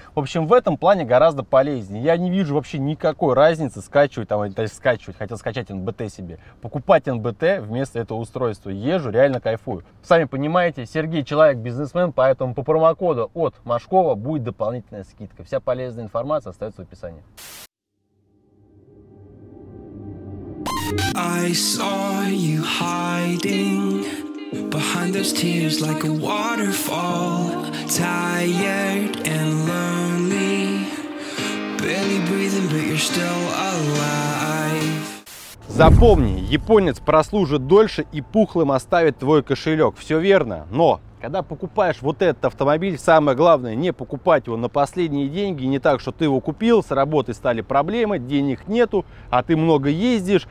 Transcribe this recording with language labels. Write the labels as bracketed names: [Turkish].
[Russian] В общем, в этом плане гораздо полезнее. Я не вижу вообще никакой разницы скачивать там, или скачивать, хотел скачать НБТ себе. Покупать НБТ вместо этого устройства. Езжу, реально кайфую. Сами понимаете, Сергей человек-бизнесмен, поэтому по промокоду от Машкова будет дополнительная скидка. Вся полезная информация остается в описании. [English] I saw you hiding behind those tears like a waterfall, tired and lonely, barely breathing, but you're still alive. [Russian] Запомни, японец прослужит дольше и пухлым оставит твой кошелек. Все верно, но Когда покупаешь вот этот автомобиль, самое главное не покупать его на последние деньги, не так, что ты его купил, с работой стали проблемы, денег нету, а ты много ездишь.